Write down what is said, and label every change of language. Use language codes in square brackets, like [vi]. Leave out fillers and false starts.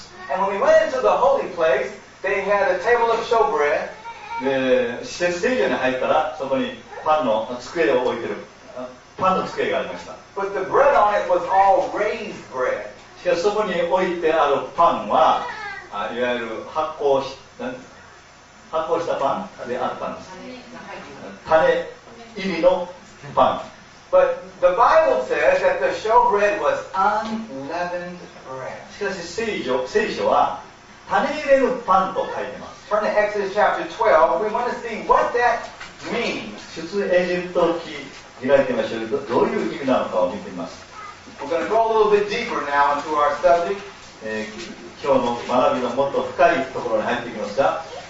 [en] And when we went into the holy place, they had a table of showbread. [ja] で、施設ステージに入ったら、そこにパンの机を置いてる。パンの机がありました。 [en] But the bread on it was all raised bread. [ja] しかし、そこに置いてあるパンは、いわゆる発酵し、発酵したパンであったんです。種入りのパン。 [en] But the Bible says that the showbread was unleavened bread. [ja] しかし聖書は種入れのパンと書いてます。 [en] Turn to Exodus chapter 12. We want to see what that means. [ja] 出エジプト記開いてみましょう。どういう意味なのかを見てみます。 [en] We're going to go a little bit deeper now into our subject. [ja] 今日の学びのもっと深いところに入っていきますが、